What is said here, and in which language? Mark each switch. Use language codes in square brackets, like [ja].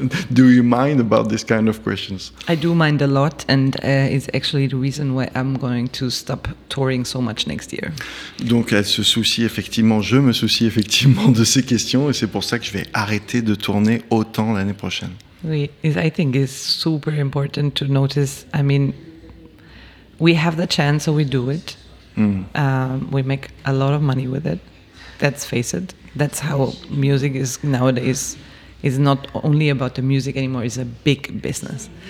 [en] Do you mind about this kind of questions? I do mind a lot, and it's actually the reason why I'm going to stop touring so much next year. [fr] Donc elle se soucie effectivement, je me soucie effectivement de ces questions, et c'est pour ça que je vais arrêter de tourner autant l'année prochaine. [en] Oui, I think it's super important to notice. I mean, we have the chance, so we do it. We make a lot of money with it. Let's face it. That's how music is nowadays. It's not only about the music anymore, it's a big business.